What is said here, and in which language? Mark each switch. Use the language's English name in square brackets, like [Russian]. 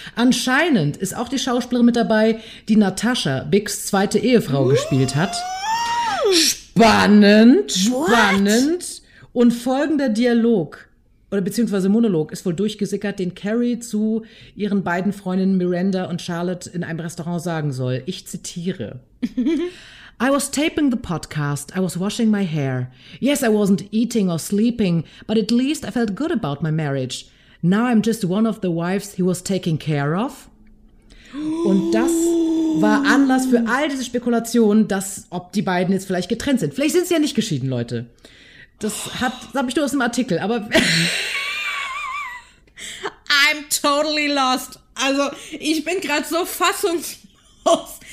[German] Anscheinend ist auch die Schauspielerin mit dabei, die Natasha, Bigs zweite Ehefrau, gespielt hat. Spannend, spannend. [English] What? [German] Und folgender Dialog oder beziehungsweise Monolog ist wohl durchgesickert, den Carrie zu ihren beiden Freundinnen Miranda und Charlotte in einem Restaurant sagen soll. Ich zitiere. [English] I was taping the podcast, I was washing my hair. Yes, I wasn't eating or sleeping, but at least I felt good about my marriage. Now I'm just one of the wives he was taking care of. [German] Und das war Anlass für all diese Spekulationen, dass ob die beiden jetzt vielleicht getrennt sind. Vielleicht sind sie ja nicht geschieden, Leute. Das habe ich nur aus dem Artikel, aber [English] I'm totally lost. [German] Also, ich bin gerade so fassungslos.